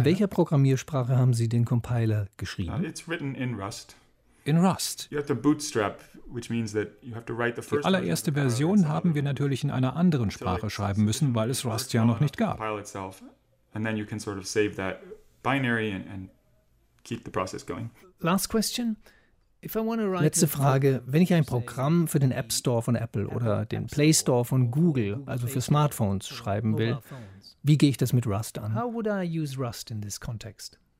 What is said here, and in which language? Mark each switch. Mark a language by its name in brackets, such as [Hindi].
[German] In welcher Programmiersprache haben Sie den Compiler geschrieben? [English] It's written in Rust. [German] In Rust. [English] You have to bootstrap, which means that you have to write the first. [German] Die allererste Version haben wir natürlich in einer anderen Sprache schreiben müssen, weil es Rust ja noch nicht gab. [English] And then you can sort of save that binary and keep the process going. Last question. [German] Letzte Frage. Wenn ich ein Programm für den App Store von Apple oder den Play Store von Google, also für Smartphones, schreiben will, wie gehe ich das mit Rust an? [English] How would I use Rust in this context?